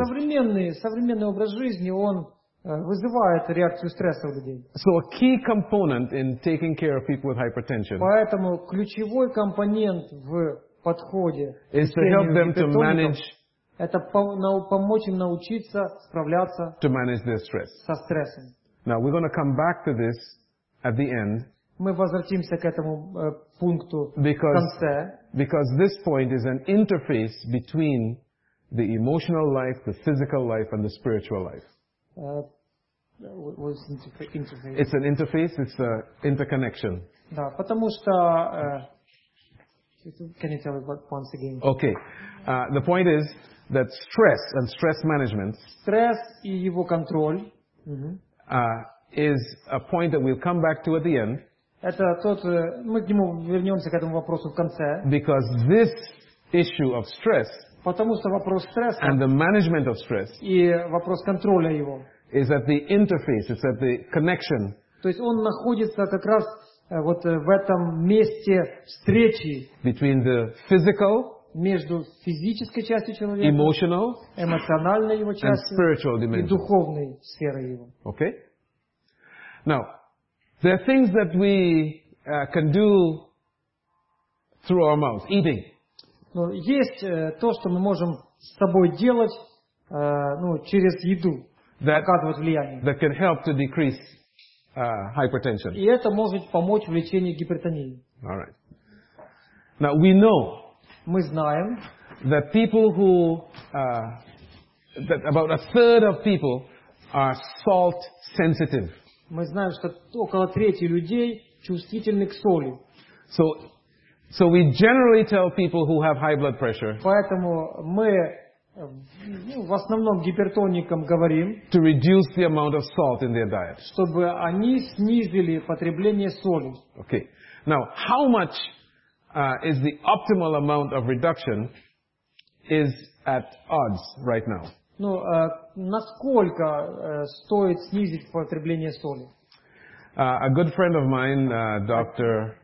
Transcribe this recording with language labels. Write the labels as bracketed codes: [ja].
[ru] Современный образ жизни, он вызывает реакцию стресса у людей. [en] So a key component in taking care of people with hypertension. [ru] Поэтому ключевой компонент в подходе [en] is to help them to manage. [ru] Это помочь им научиться справляться. [en] To manage their stress. [ru] Со стрессом. [en] Now we're going to come back to this at the end. [ru] Мы возвратимся к этому пункту в конце. [en] Because this point is an interface between the emotional life, the physical life, and the spiritual life. It's an interface. It's an interconnection. [ru] Да, потому что. [en] Can you tell me what points again? Okay, the point is that stress and stress management. [ru] Стресс и его контроль. [en] Is a point that we'll come back to at the end. [ru] Это тот, мы к нему вернемся к этому вопросу в конце. [en] Because this issue of stress. [ru] Потому что вопрос стресса. [en] And the management of stress. [ru] И вопрос контроля его. [en] Is at the interface, it's at the connection. [ru] То есть он находится как раз вот в этом месте встречи [en] between the physical, [ru] между физической частью человека, [en] emotional, [ru] эмоциональной его частью, [en] and spiritual dimension. [ru] И духовной сферой его. [en] Okay. Now, there are things that we can do through our mouth, eating. [ru] Но есть то, что мы можем с собой делать через еду. [en] That can help to decrease hypertension. [ru] И это может помочь в лечении гипертонии. [en] All right. Now we know. [ru] Мы знаем. [en] That people who that about a third of people are salt sensitive. [ru] Мы знаем, что около трети людей чувствительны к соли. [en] So we generally tell people who have high blood pressure. [ru] Поэтому мы в основном гипертоникам говорим, [en] to reduce the amount of salt in their diet. [ru] Чтобы они снизили потребление соли. [en] Okay. Now, how much is the optimal amount of reduction is at odds right now. [ru] Насколько стоит снизить потребление соли? [en] A good friend of mine, doctor...